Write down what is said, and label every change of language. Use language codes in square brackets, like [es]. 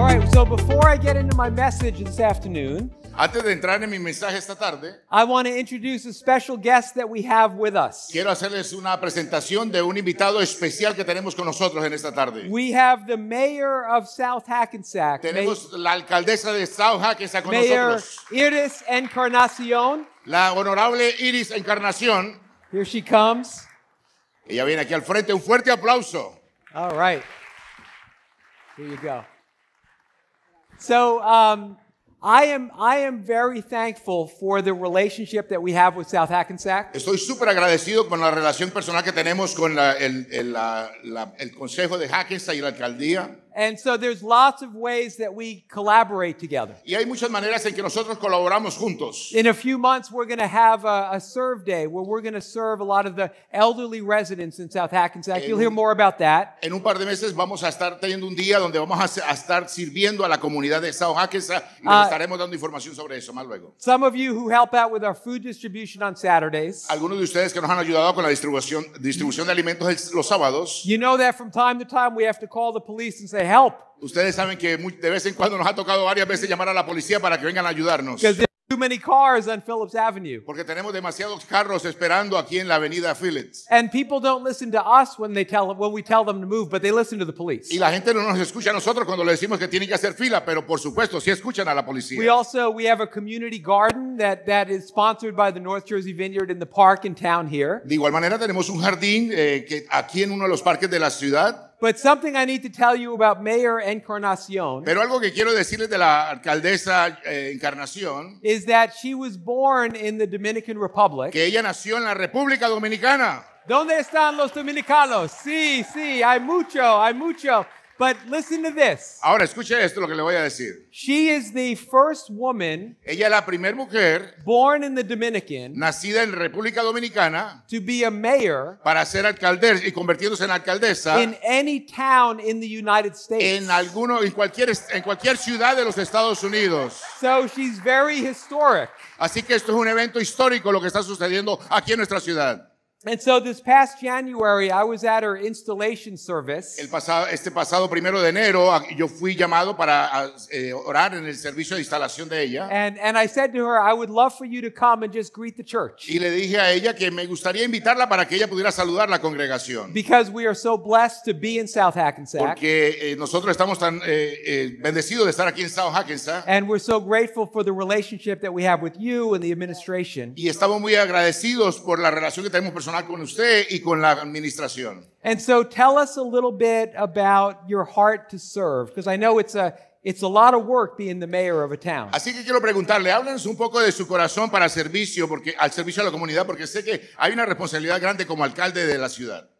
[en] so before I get into my message this afternoon, [es] antes de entrar en mi mensaje esta tarde, [en] I want to introduce a special guest that we have with us. [es] Quiero hacerles una presentación de un invitado especial que tenemos con nosotros en esta tarde. [en] We have the mayor of South Hackensack. [es] Tenemos la alcaldesa de South Hackensack con [en] mayor [es] nosotros. [en] Mayor Iris Encarnación. [es] La honorable Iris Encarnación. [en] Here she comes. [es] Ella viene aquí al frente. Un fuerte aplauso. [en] All right. Here you go. So, I am very thankful for the relationship that we have with South Hackensack. [es] Estoy súper agradecido con la relación personal que tenemos con el Consejo de Hackensack y la alcaldía. [en] And so there's lots of ways that we collaborate together. [es] Y hay muchas maneras en que nosotros colaboramos juntos. [en] In a few months, we're going to have a serve day where we're going to serve a lot of the elderly residents in South Hackensack. You'll hear more about that. [es] En un par de meses vamos a estar teniendo un día donde vamos a estar sirviendo a la comunidad de South Hackensack y les estaremos dando información sobre eso más luego. [en] Some of you who help out with our food distribution on Saturdays. [es] Algunos de ustedes que nos han ayudado con la distribución de alimentos los sábados. [en] You know that from time to time we have to call the police and they help. [es] Ustedes saben que de vez en cuando nos ha tocado varias veces llamar a la policía para que vengan a ayudarnos. [en] Because there are too many cars on Phillips Avenue. [es] Porque tenemos demasiados carros esperando aquí en la avenida Phillips. [en] And people don't listen to us when we tell them to move, but they listen to the police. [es] Y la gente no nos escucha a nosotros cuando le decimos que tienen que hacer fila, pero por supuesto sí escuchan a la policía. [en] We have a community garden that is sponsored by the North Jersey Vineyard in the park in town here. [es] De igual manera tenemos un jardín que aquí en uno de los parques de la ciudad. [en] But something I need to tell you about Mayor Encarnación. [es] Pero algo que quiero decirles de la alcaldesa Encarnación [en] is that she was born in the Dominican Republic. [es] Que ella nació en la República Dominicana. ¿Dónde están los dominicanos? Sí, sí, hay mucho. [en] But listen to this. [es] Ahora escuche esto lo que le voy a decir. [en] She is the first woman. [es] Ella es la primer mujer. [en] Born in the Dominican. [es] Nacida en República Dominicana. [en] To be a mayor. [es] Para ser alcaldesa y convirtiéndose en alcaldesa. [en] In any town in the United States. [es] En cualquier ciudad de los Estados Unidos. [en] So she's very historic. [es] Así que esto es un evento histórico lo que está sucediendo aquí en nuestra ciudad. [en] And so this past January, I was at her installation service. [es] Este pasado primero de enero, yo fui llamado para orar en el servicio de instalación de ella. [en] And I said to her, I would love for you to come and just greet the church. [es] Y le dije a ella que me gustaría invitarla para que ella pudiera saludar la congregación. [en] Because we are so blessed to be in South Hackensack. [es] Porque nosotros estamos tan bendecidos de estar aquí en South Hackensack. [en] And we're so grateful for the relationship that we have with you and the administration. [es] Y estamos muy agradecidos por la relación que tenemos personal con usted y con la administración. [en] And so tell us a little bit about your heart to serve, because I know it's a lot of work being the mayor of a town. [es] Así que quiero preguntarle, háblenos un poco de su corazón para servicio, porque al servicio a la comunidad, porque sé que hay una responsabilidad grande como alcalde de la ciudad.